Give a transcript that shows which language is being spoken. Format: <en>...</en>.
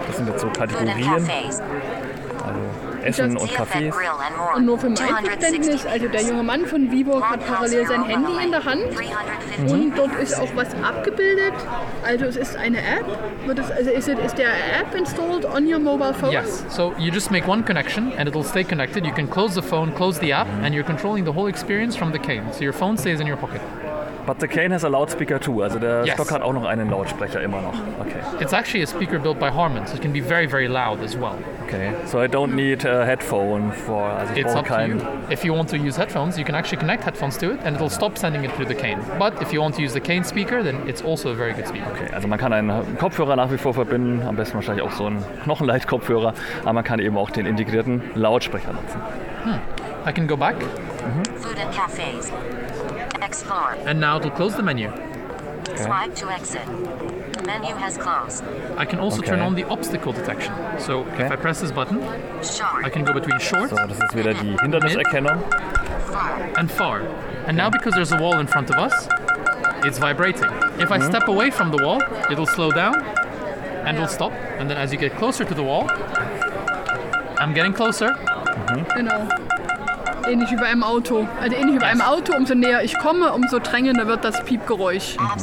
<de>Das sind jetzt so Kategorien. Also Essen und Cafés. Und nur für mein Verständnis, also der junge Mann von WeWalk hat parallel sein Handy in der Hand und dort ist auch was abgebildet. Also es ist eine App. Ist der App</de> <en>installed on your mobile phone? Yes. So you just make one connection and it'll stay connected. You can close the phone, close the app, and you're controlling the whole experience from the cane. So your phone stays in your pocket. But the cane has a loudspeaker too.</en> <de>Also der yes. Stock hat auch noch einen Lautsprecher immer noch.</de> <en>Okay. It's actually a speaker built by Harman, so it can be very, very loud as well. Okay. So I don't need a headphone for...</en> <de>Also</de> <en>it's up to you. If you want to use headphones, you can actually connect headphones to it and it'll stop sending it through the cane. But if you want to use the cane speaker, then it's also a very good speaker.</en> <de>Okay, also man kann einen Kopfhörer nach wie vor verbinden, am besten wahrscheinlich auch so einen Knochenleitkopfhörer, aber man kann eben auch den integrierten Lautsprecher nutzen.</de> <en>I can go back. Mm-hmm. Food and cafes. Explore. And now to close the menu. Okay. Swipe to exit. Menu has closed. I can also turn on the obstacle detection. So if I press this button, short. I can go between short.</en> <de>So das ist wieder die Hinderniserkennung.</de> <en>Far. And far. And now because there's a wall in front of us, it's vibrating. If I step away from the wall, it'll slow down and it'll stop. And then as you get closer to the wall, I'm getting closer.</en> <de>Genau. Ähnlich wie bei einem Auto. Also ähnlich wie bei einem Auto, umso näher ich komme, umso drängender wird das Piepgeräusch.</de>